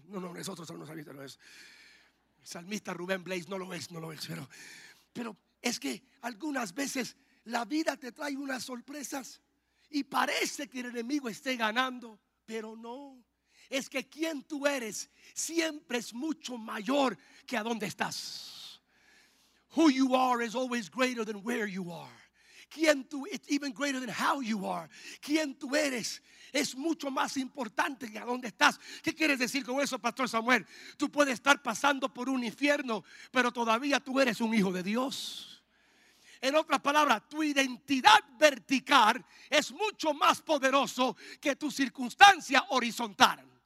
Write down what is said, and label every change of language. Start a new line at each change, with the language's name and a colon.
Spanish: No, nosotros somos salmistas, no es. Salmista Rubén Blaise, no lo es, pero es que algunas veces la vida te trae unas sorpresas y parece que el enemigo esté ganando, pero no. Es que quien tú eres siempre es mucho mayor que a donde estás.
English: Who you are is always greater than where you are.
Spanish: Quien tú,
English: it's even greater than how you are.
Spanish: Quien tú eres es mucho más importante que a donde estás. ¿Qué quieres decir con eso, Pastor Samuel? Tú puedes estar pasando por un infierno, pero todavía tú eres un hijo de Dios. En otras palabras, tu identidad vertical es mucho más poderoso que tu circunstancia horizontal.